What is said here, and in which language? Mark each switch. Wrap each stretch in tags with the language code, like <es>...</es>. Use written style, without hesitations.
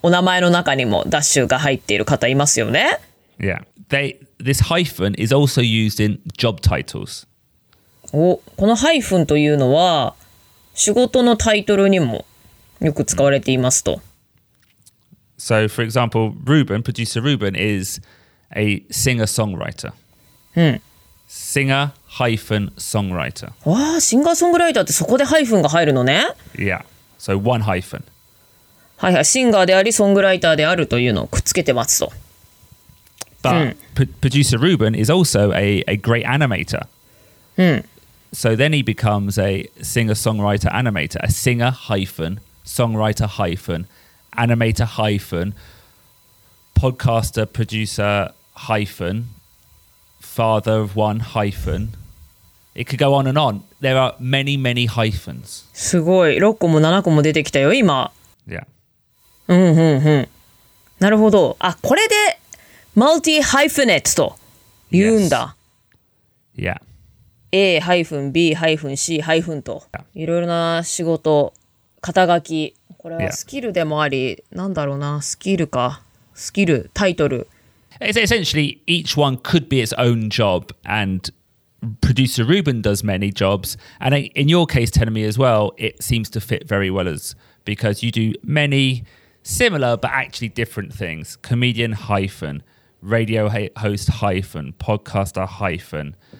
<ja>お名前の中にもダッシュが入っている方いますよね。</ja> <en>Yeah. This hyphen is also used in job titles.</en> <ja>お、このハイフンというのは仕事のタイトルにもよく使われていますと。</ja> <en>So, for example, Ruben, producer Ruben, is a singer-songwriter. Singer hyphen songwriter. Wow, singer songwriter.</en> <ja>ってそこでハイフンが入るのね。</ja> <en>Yeah, so one hyphen.</en> <ja>はいはい、シンガーであり、ソングライターであるというのをくっつけてますと。</ja> <en>But producer Ruben is also a great animator. So then he becomes a singer songwriter animator, a singer hyphen songwriter hyphen animator hyphen podcaster producer hyphen. Father of one hyphen. It could go on and on. There are many, many hyphens.</en> <ja>すごい。6個も7個も出てきたよ、今。</ja> <en>Yeah.</en> <ja>なるほど。あ、これで multi-hyphenate と言うんだ。</ja> <en>Yes. Yeah. A-hyphen, B-hyphen, C-hyphen</en> <ja>と。いろいろな仕事、肩書き。これはスキルでもあり、なんだろうな、スキルか。スキル、タイトル。</ja> <en>Essentially, each one could be its own job, and producer Ruben does many jobs. And in your case, Tenomi, as well, it seems to fit very well as because you do many similar but actually different things. Comedian hyphen, radio host hyphen, podcaster hyphen.</en>